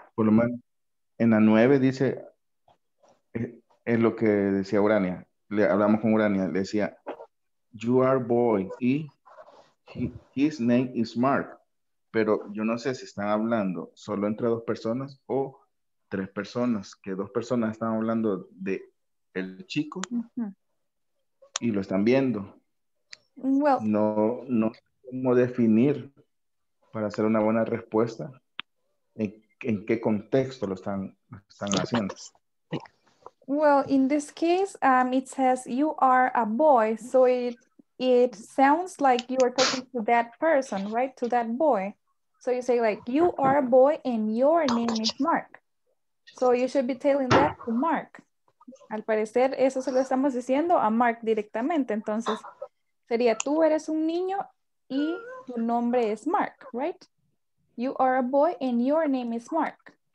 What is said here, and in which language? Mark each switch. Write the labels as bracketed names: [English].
[Spanish] Por lo menos en la 9 dice, es lo que decía Urania, le hablamos con Urania, le decía, you are boy, y his name is Mark, pero yo no sé si están hablando solo entre dos personas o tres personas, que dos personas están hablando de el chico y lo están viendo. [English] Well, [Spanish] no sé cómo definir para hacer una buena respuesta en qué contexto lo están haciendo. [English] Well, in this case, it says you are a boy, so it sounds like you are talking to that person, right? To that boy. So you say like, you are a boy and your name is Mark. So you should be telling that to Mark. [Spanish] Al parecer, eso se lo estamos diciendo a Mark directamente. Entonces, sería tú eres un niño y tu nombre es Mark, right? [English] You are a boy and your name is Mark.